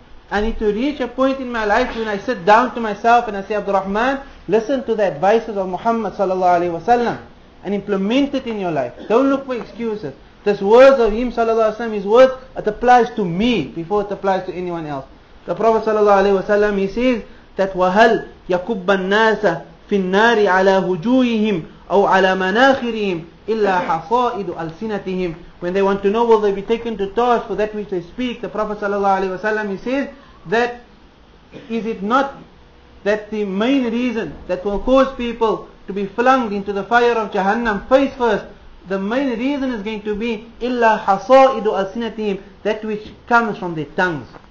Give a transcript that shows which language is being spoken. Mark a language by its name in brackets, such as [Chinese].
[English] I need to reach a point in my life when I sit down to myself and I say, Abdurrahman, listen to the advices of Muhammad sallallahu alayhi wa sallam and implement it in your life. Don't look for excuses. This words of him sallallahu alayhi wa sallam, his words, it applies to me before it applies to anyone else. The Prophet sallallahu alayhi wa sallam, he says that [Arabic] وَهَلْ يَكُبَّ النَّاسَ فِي النَّارِ عَلَى هُجُوهِهِمْ أَوْ عَلَى مَنَاخِرِهِمْ إلا حصائد ألسنتهم. [English] When they want to know, will they be taken to task for that which they speak? The Prophet sallallahu alaihi wasallam, he says that, is it not that the main reason that will cause people to be flung into the fire of Jahannam face first, the main reason is going to be [Arabic] إلا حصائد ألسنتهم, [English] that which comes from their tongues.